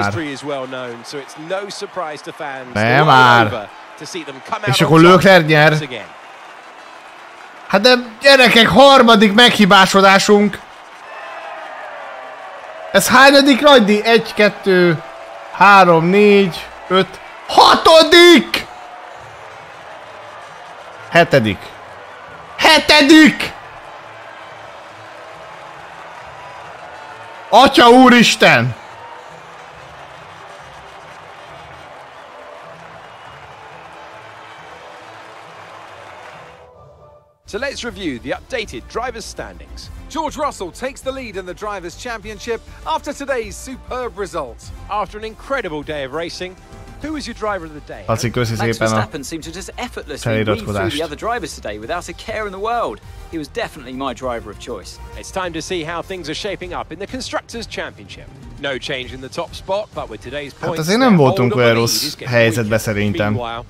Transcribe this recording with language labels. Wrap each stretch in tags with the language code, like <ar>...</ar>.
<en>The history is well known, so it's no surprise to fans.</en> <hu>Ne már.</hu> <en>To see them come out.</en> <hu>És akkor Leclerc nyer. Hát de gyerekek, harmadik meghibásodásunk. Ez hányadik rajdi? 1, 2, 3, 4, 5, 6. Hetedik. Hetedik! Atya úristen!</hu> <en>So let's review the updated driver's standings. George Russell takes the lead in the Drivers' Championship after today's superb result. After an incredible day of racing, who is your driver of the day? Max Verstappen seemed to just effortlessly lead through the other drivers today without a care in the world. He was definitely my driver of choice. It's time to see how things are shaping up in the Constructors' Championship. No change in the top spot, but with today's points,</en> <hu>hát azért nem voltunk olyan rossz helyzetben szerintem.</hu>